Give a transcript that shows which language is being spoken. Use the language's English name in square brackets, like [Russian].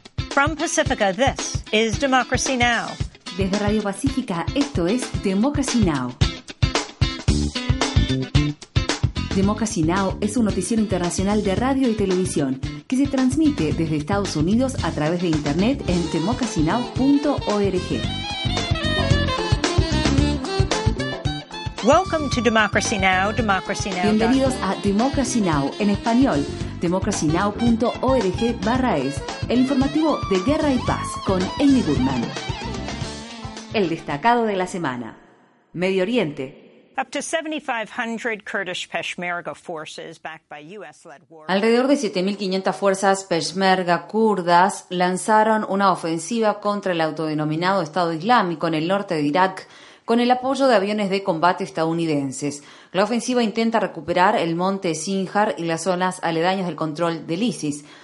[English] From Pacifica, this is Democracy Now. [Spanish] Desde Radio Pacífica, esto es Democracy Now. Democracy Now! Es un noticiero internacional de radio y televisión que se transmite desde Estados Unidos a través de Internet en democracynow.org. [English] Welcome to Democracy Now! Democracy Now! [Spanish] Bienvenidos a Democracy Now! En español, democracynow.org/es, el informativo de guerra y paz con Amy Goodman. El destacado de la semana. Medio Oriente. [English] Up to 7,500 Kurdish Peshmerga forces backed by US-led war. [Spanish] Alrededor de 7,500 fuerzas Peshmerga kurdas lanzaron una ofensiva contra el autodenominado Estado Islámico en el norte de Irak con el apoyo de aviones de combate estadounidenses. La ofensiva intenta recuperar el monte Sinjar y las zonas aledañas del control del ISIS.